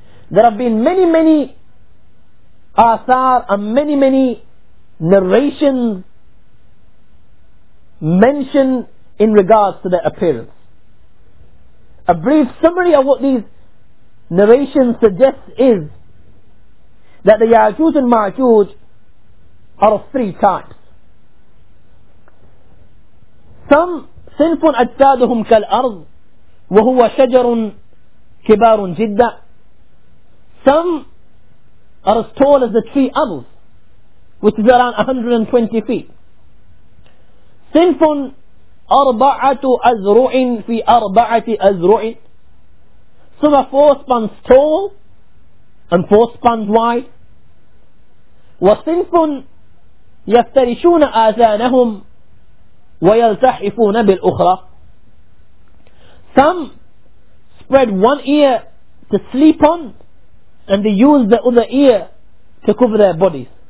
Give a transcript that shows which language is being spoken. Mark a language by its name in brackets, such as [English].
[English] There have been many, many asar and many, many narrations mentioned in regards to their appearance. A brief summary of what these narrations suggest is that the Ya'juj and Ma'juj are of three types. Some [Arabic] صنف أجسادهم كالأرض وهو شجر كبار جدا. [English] Some are as tall as the tree Arz, which is around 120 feet. [Arabic] صنف أربعة أزرع في أربعة أزرع. [English] Some are four spans tall and four spans wide. [Arabic] وصنف يفترشون آذانهم وَيَلْتَحِفُونَ بِالْأُخْرَى. [English] Some spread one ear to sleep on and they use the other ear to cover their bodies.